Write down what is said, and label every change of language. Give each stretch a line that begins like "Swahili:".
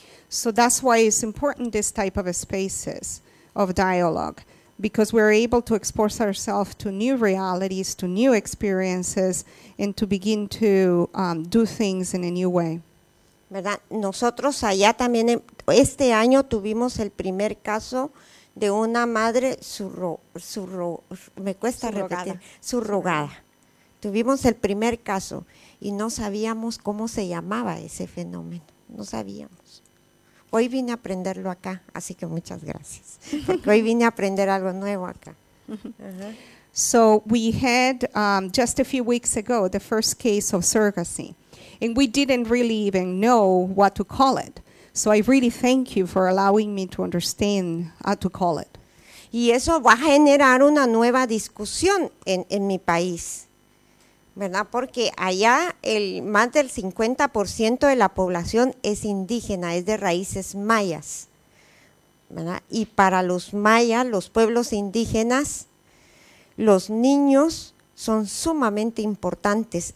English: So that's why it's important this type of spaces of dialogue, because we're able to expose ourselves to new realities, to new experiences, and to begin to do things in a new way.
Spanish: ¿Verdad? Nosotros allá también este año tuvimos el primer caso de una madre surrogada. Tuvimos el primer caso y no sabíamos cómo se llamaba ese fenómeno. No sabíamos. Hoy vine a aprenderlo acá, así que muchas gracias. Porque hoy vine a aprender algo nuevo acá.
English: So we had just a few weeks ago the first case of surrogacy. And we didn't really even know what to call it. So I really thank you for allowing me to understand how to call it.
Spanish: Y eso va a generar una nueva discusión en mi país, ¿verdad? Porque allá más del 50% de la población es indígena, es de raíces mayas, ¿verdad? Y para los mayas, los pueblos indígenas, los niños son sumamente importantes.